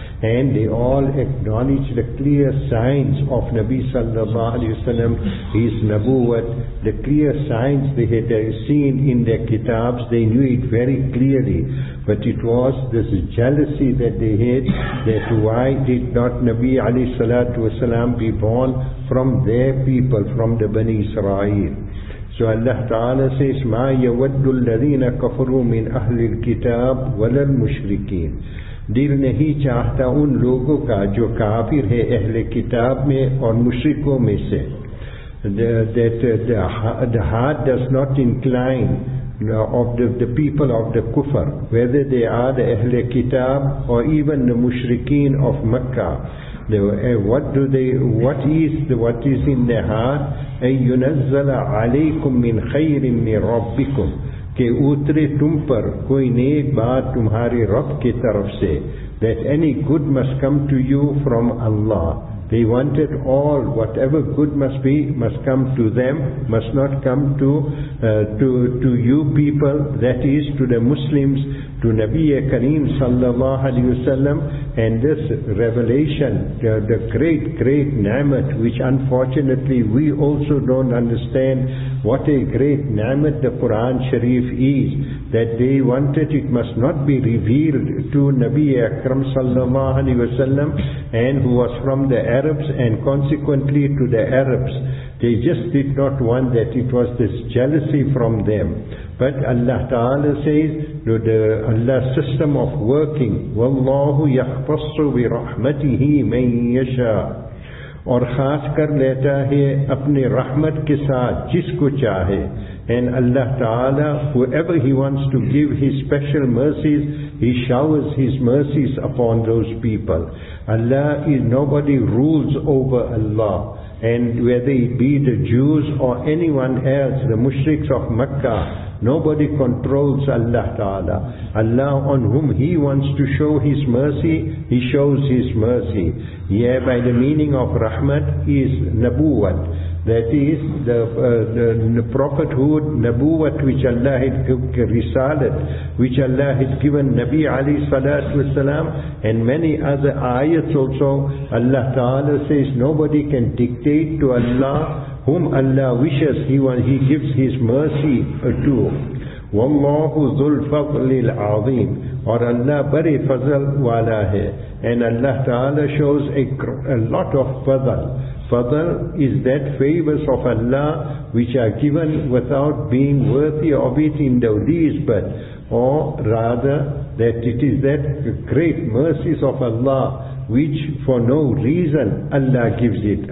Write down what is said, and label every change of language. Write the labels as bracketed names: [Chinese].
[English] And they all acknowledged the clear signs of Nabi sallallahu alayhi wa sallam, his nabuwat, the clear signs they had seen in their kitabs, they knew it very clearly. But it was this jealousy that they had, that why did not Nabi alayhi salatu wa sallam be born from their people, from the Bani Israel. So Allah Ta'ala says, [Arabic] مَا يَوَدُّ الَّذِينَ كَفَرُوا مِنْ أَهْلِ الْكِتَابِ وَلَا الْمُشْرِكِينَ. [Urdu] دل نہیں چاہتا ان لوگوں کا جو کافر ہے اہل کتاب میں اور مشرکوں میں سے. [English] The heart does not incline of the people of the kufr, whether they are the اہل کتاب or even the مشرکین of Makkah. What is in the heart? [Arabic] أَن يُنَزَّلَ عَلَيْكُم مِّن خَيْرٍ مِّن رَبِّكُمْ, [Urdu] کہ اُترے تم پر کوئی نیک بات تمہاری رب کے طرف سے. [English] That any good must come to you from Allah. They wanted all, whatever good must be, must come to them, must not come to you people, that is to the Muslims, to Nabi Kareem sallallahu alayhi wa sallam. And this revelation, the great, great ni'mat, which unfortunately we also don't understand what a great ni'mat the Quran Sharif is, that they wanted it must not be revealed to Nabi Akram sallallahu alayhi wa sallam, and who was from the Arabs, and consequently to the Arabs. They just did not want that. It was this jealousy from them. But Allah Ta'ala says, Allah's system of working, [Arabic] وَاللَّهُ يَخْفَصُ بِرَحْمَتِهِ مَنْ يَشَاءُ, [Urdu] اور خاص کر لیتا ہے اپنے رحمت کے ساتھ جس کو چاہے. [English] And Allah Ta'ala, whoever He wants to give His special mercies, He showers His mercies upon those people. Allah is, nobody rules over Allah. And whether it be the Jews or anyone else, the mushriks of Makkah, nobody controls Allah Ta'ala. Allah, on whom He wants to show His mercy, He shows His mercy. Yeah, by the meaning of rahmat is nabuwat. That is the prophethood, nabuwat, which Allah had risalat, which Allah had given Nabi Ali Salat wa Salam, and many other ayats also. Allah Ta'ala says nobody can dictate to Allah whom Allah wishes he gives His mercy to. [Arabic] وَاللَّهُ ذُو الْفَضْلِ الْعَظِيمِ, [Urdu] اور اللہ بڑے فضل والا ہے. [English] And Allah Ta'ala shows a lot of fadl. Fadl is that favors of Allah which are given without being worthy of it in the least, but or rather that it is that great mercies of Allah which for no reason Allah gives it.